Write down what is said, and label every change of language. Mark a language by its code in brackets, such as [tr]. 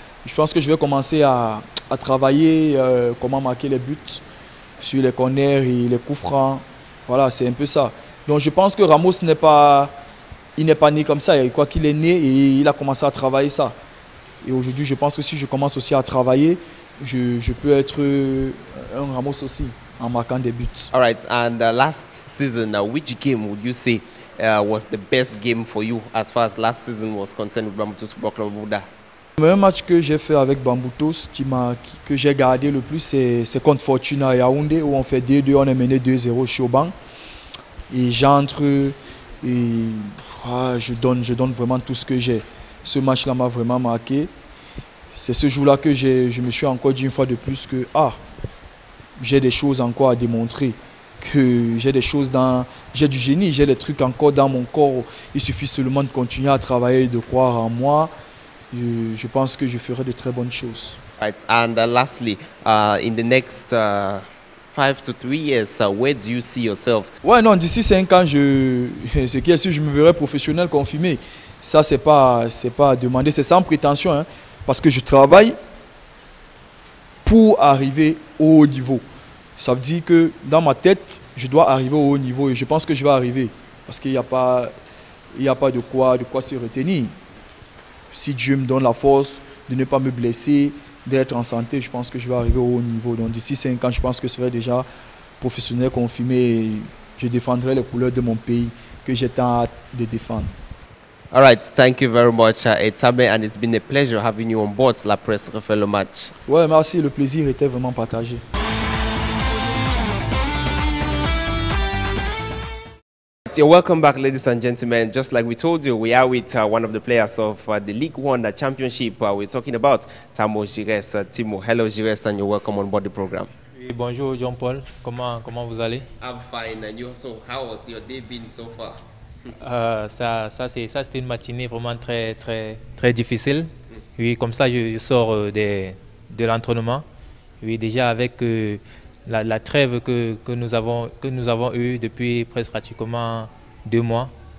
[fr] Je pense que je vais commencer à travailler comment marquer les buts sur les corners et les coups francs. Voilà, c'est un peu ça. Donc je pense que Ramos n'est pas né comme ça. Quoi qu'il est né, et il a commencé à travailler ça. Et aujourd'hui, je pense que si je commence aussi à travailler, je peux être un Ramos aussi en marquant des buts. [en] All right, and last season, which game would you say was the best game for you as far as last season was concerned with Bambutos Football Club Bouda? [fr] Le meilleur match que j'ai fait avec Bambutos, que j'ai gardé le plus, c'est contre Fortuna à Yaoundé, où on fait 2-2, on est mené 2-0 chez Auban. Et j'entre et je donne vraiment tout ce que j'ai. Ce match-là m'a vraiment marqué. C'est ce jour-là que je me suis encore dit une fois de plus que j'ai des choses encore à démontrer. Que j'ai du génie, j'ai des trucs encore dans mon corps. Il suffit seulement de continuer à travailler et de croire en moi. Je pense que je ferai de très bonnes choses. [en] Right. And lastly, in the next 5 to 3 years, where do you see yourself? [fr] Ouais, non, d'ici 5 ans, ce qui est sûr, je me verrai professionnel confirmé. Ça, c'est pas à demander, c'est sans prétention, hein, parce que je travaille pour arriver au haut niveau. Ça veut dire que dans ma tête, je dois arriver au haut niveau et je pense que je vais arriver, parce qu'il n'y a pas de quoi se retenir. Si Dieu me donne la force de ne pas me blesser, d'être en santé, je pense que je vais arriver au haut niveau. Donc d'ici 5 ans, je pense que je serai déjà professionnel confirmé et je défendrai les couleurs de mon pays que j'ai tant hâte de défendre. [en] All right, thank you very much, Etame, and it's been a pleasure having you on board [fr] La Presse refait le match. Ouais, merci, le plaisir était vraiment partagé. [en] You're welcome back, ladies and gentlemen. Just like we told you, we are with one of the players of the League One Championship. We're talking about Tamo Jires. Timo, hello Jires, and you're welcome on board the program. [fr] Oui, bonjour Jean-Paul, comment vous allez? [en] I'm fine, and you also, how has your day been so far? [fr] C'était une matinée vraiment très très très difficile. Oui, comme ça je sors de l'entraînement. Oui, déjà avec la trêve que nous avons eue depuis presque pratiquement 2 mois.